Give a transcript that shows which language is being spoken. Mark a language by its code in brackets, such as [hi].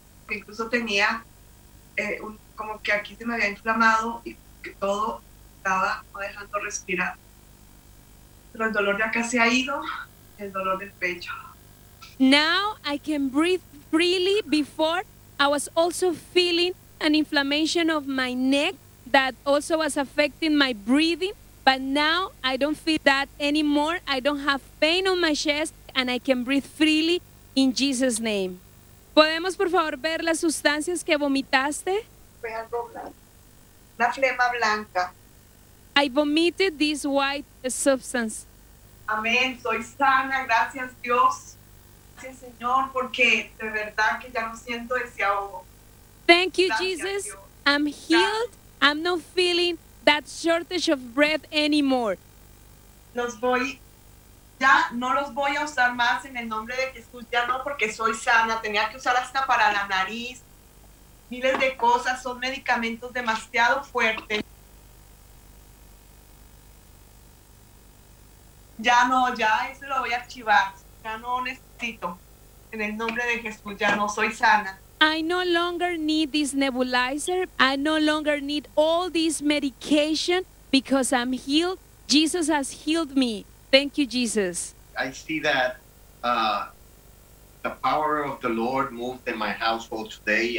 [es] Incluso tenía como que aquí se me había inflamado y que todo estaba no dejando respirar. Pero el dolor ya casi ha ido, el dolor del pecho. [en] Now I can breathe freely. Before I was also feeling an inflammation of my neck that also was affecting my breathing, but now I don't feel that anymore. I don't have pain on my chest and I can breathe freely in Jesus' name. [es] ¿Podemos, por favor, ver las sustancias que vomitaste? Fue algo blanco. Una flema blanca. [en] I vomited this white substance. [es] Amén. Soy sana. Gracias, Dios. Gracias, Señor, porque de verdad que ya no siento ese ahogo. [en] Thank you, [es] gracias, [en] Jesus. Dios. I'm healed. Gracias. I'm not feeling that shortage of breath anymore. [es] Ya no los voy a usar más en el nombre de Jesús, ya no, porque soy sana. Tenía que usar hasta para la nariz, miles de cosas, son medicamentos demasiado fuertes. Ya no, ya eso lo voy a archivar, ya no necesito, en el nombre de Jesús, ya no, soy sana. [en] I no longer need this nebulizer, I no longer need all this medication, because I'm healed, Jesus has healed me. Thank you, Jesus. I see that the power of the Lord moved in my household today.